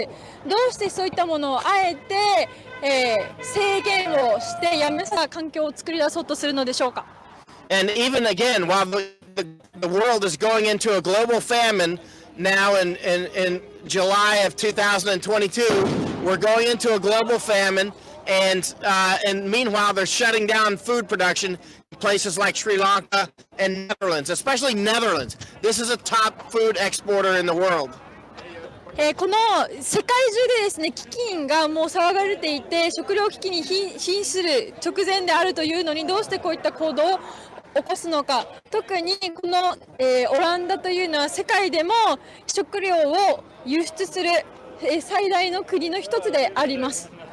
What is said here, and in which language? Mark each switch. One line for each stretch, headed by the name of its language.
Japanese: どうしてそういったものをあえて、制限をしてやめさ環境を作り出そうとするのでしょうか。
English: And even again, while the world is going into a global famine now in July of 2022, we're going into a global famine and meanwhile they're shutting down food production. Places like Sri Lanka and Netherlands, especially Netherlands. This is a top food exporter in the world.
Japanese: この世界中でですね、飢饉がもう騒がれていて、食糧危機に瀕する直前であるというのに、どうしてこういった行動を起こすのか。特にこの、オランダというのは世界でも食糧を輸出する、最大の国の一つであります。